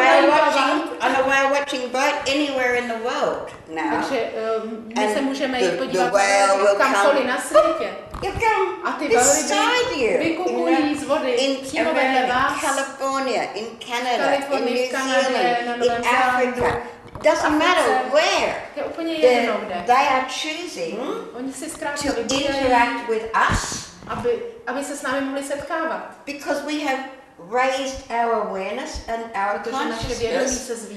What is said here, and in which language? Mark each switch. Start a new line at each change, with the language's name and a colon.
English: on a whale watching boat anywhere in the world now.
Czech: Takže my se můžeme jít podívat kamkoliv na světě. A ty velryby vykukují z vody přímo vedle vás.
English: California, in Canada, in New Zealand, in Africa. Doesn't matter where.
Czech: Je úplně jedno, kde.
English: They are choosing to interact with us.
Czech: Aby se s námi mohli setkávat.
English: Because we have raised our awareness and our consciousness.